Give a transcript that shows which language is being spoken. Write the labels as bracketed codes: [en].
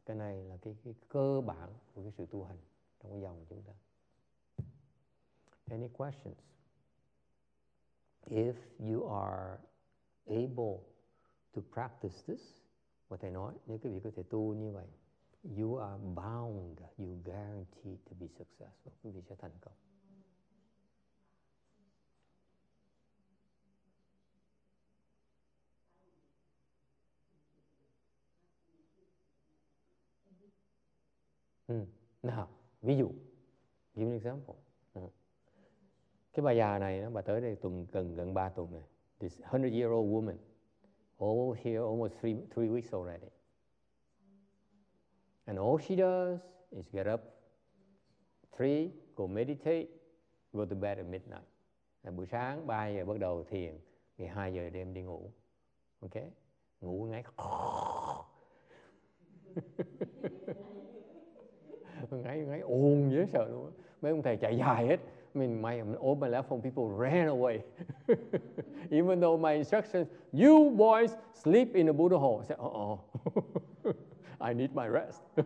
[vi] Cái này là cái cơ bản của cái sự tu hành trong cái dòng của chúng ta. [en] Any questions? If you are able to practice this, what they know, [vi] nếu quý vị có thể tu như vậy, [en] you are bound, you guaranteed to be successful. [vi] Quý vị sẽ thành công. Nào, ví dụ, [en] give an example. [vi] Cái bà già này, bà tới đây tuần gần 3 tuần này. [en] This 100-year-old woman, all here almost three weeks already. And all she does is get up 3, go meditate, go to bed at midnight. [vi] À, buổi sáng 3 giờ bắt đầu thiền, ngày 2 giờ đêm đi ngủ. Ok? Ngủ ngay. ngay ồn dễ sợ luôn. Mấy ông thầy chạy dài hết. [en] All my left home people ran away. Even though my instructions, you boys sleep in the Buddha hall. I said, uh-oh. I need my rest.